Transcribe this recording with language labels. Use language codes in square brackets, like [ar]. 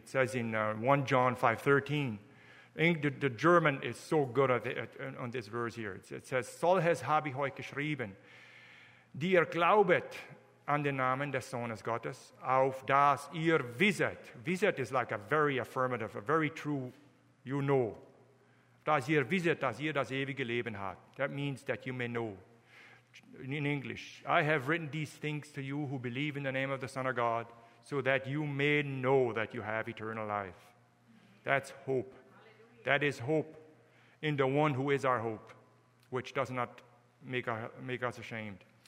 [en] It says in 1 John 5:13. The German is so good on this verse here. It says, [de] Soll es habe ich euch geschrieben, die ihr glaubet an den Namen des Sohnes Gottes, auf das ihr wisset. [en] Wisset is like a very affirmative, a very true, you know. [de] Das ihr wisset, dass ihr das ewige Leben habt. [en] That means that you may know. In English, I have written these things to you who believe in the name of the Son of God, so that you may know that you have eternal life. That's hope. Hallelujah. That is hope in the one who is our hope, which does not make us ashamed.